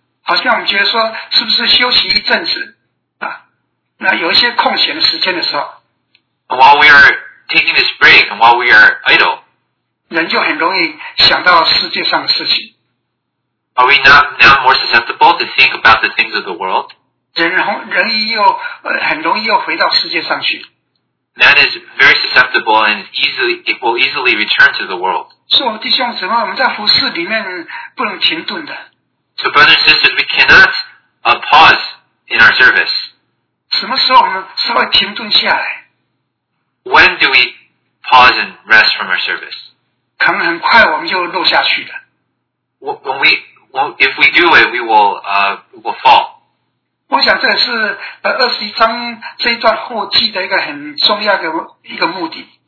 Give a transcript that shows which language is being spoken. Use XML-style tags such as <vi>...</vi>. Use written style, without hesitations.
<zh>好像我们觉得说是不是休息一阵子啊？那有一些空闲的时间的时候。</zh> <en>While we are taking this break and while we are idle.</en> <zh>人就很容易想到世界上的事情。</zh> <en>Are we not now more susceptible to think about the things of the world?</en> <zh>很容易又回到世界上去。</zh> <en>Man is very susceptible and will easily return to the world.</en> <zh>所以弟兄姊妹，我们在服事里面不能停顿的。</zh> <en>So brothers and sisters, we cannot pause in our service.</en> <zh>什么时候我们稍微停顿下来？</zh> <en>When do we pause and rest from our service?</en> <zh>可能很快我们就落下去了。</zh> <en>If we do it, we will fall.</en> <zh>我想这是21章这一段后记的一个很重要的一个目的。</zh>